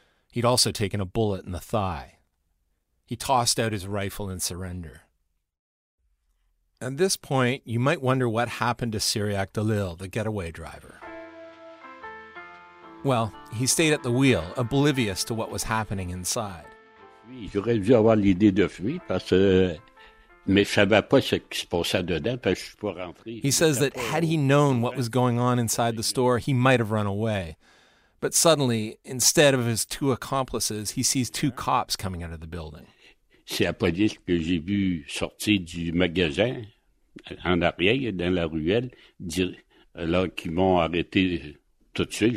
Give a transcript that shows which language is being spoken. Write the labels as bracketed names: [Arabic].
[English] He'd also taken a bullet in the thigh. He tossed out his rifle in surrender. At this point, you might wonder what happened to Cyriac DeLille, the getaway driver. Well, he stayed at the wheel, oblivious to what was happening inside. [French] J'aurais dû avoir l'idée de fuir parce que mais je savais pas ce qui se passait dedans parce que je pouvais rentrer. [English] He says that had he known what was going on inside the store, he might have run away. But suddenly, instead of his two accomplices, he sees two cops coming out of the building. [French] C'est la police que j'ai vu sortir du magasin en arrière dans la ruelle, alors qu'ils m'ont arrêté tout de suite.